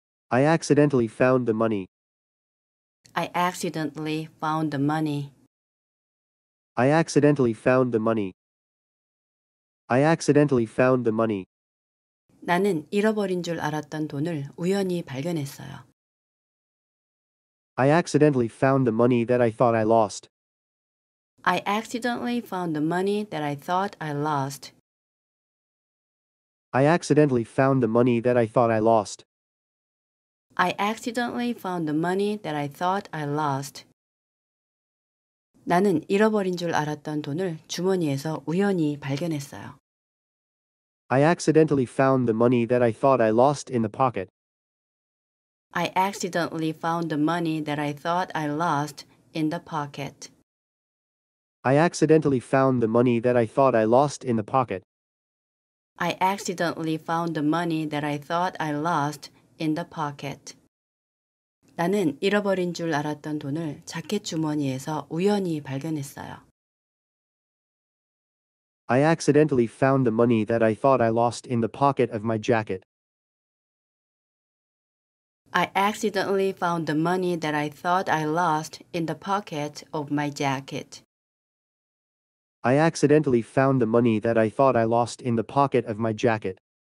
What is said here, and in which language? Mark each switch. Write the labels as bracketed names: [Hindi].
[English] I accidentally found the money. I accidentally found the money. I accidentally found the money. I accidentally found the money. [Korean] 나는 잃어버린 줄 알았던 돈을 우연히 발견했어요. [English] I accidentally found the money that I thought I lost. I accidentally found the money that I thought I lost. I accidentally found the money that I thought I lost. I accidentally found the money that I thought I lost. [Korean] 나는 잃어버린 줄 알았던 돈을 주머니에서 우연히 발견했어요. [English] I accidentally found the money that I thought I lost in the pocket. I accidentally found the money that I thought I lost in the pocket. I accidentally found the money that I thought I lost in the pocket. I accidentally found the money that I thought I lost in the pocket. [Korean] 나는 잃어버린 줄 알았던 돈을 자켓 주머니에서 우연히 발견했어요. [English] I accidentally found the money that I thought I lost in the pocket of my jacket. I accidentally found the money that I thought I lost in the pocket of my jacket. I accidentally found the money that I thought I lost in the pocket of my jacket.